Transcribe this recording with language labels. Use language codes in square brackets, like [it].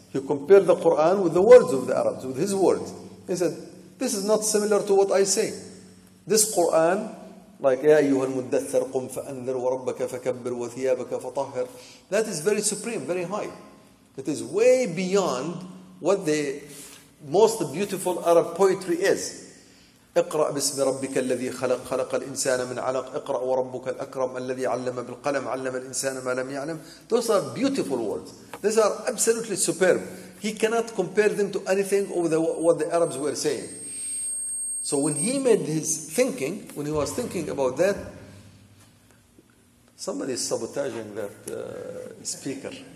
[en] He compared the Quran with the words of the Arabs, with his words. He said, this is not similar to what I say. This Quran, like, [ar] يَا أَيُّهَا الْمُدَّثَّرْ قُمْ فَأَنذِرْ وَرَبَّكَ فَكَبِّرْ وَثِيَابَكَ فَطَهِّرْ, [en] that is very supreme, very high. It is way beyond what the most beautiful Arab poetry is. [ar] اقرأ باسم ربك الذي خلق, خلق الإنسان من علق, اقرأ وربك الأكرم الذي علم بالقلم, علم الإنسان ما لم يعلم. [en] Those are beautiful words. These are absolutely superb. He cannot compare them to anything of what the Arabs were saying. So when he made his thinking, when he was thinking about that, somebody is sabotaging that speaker.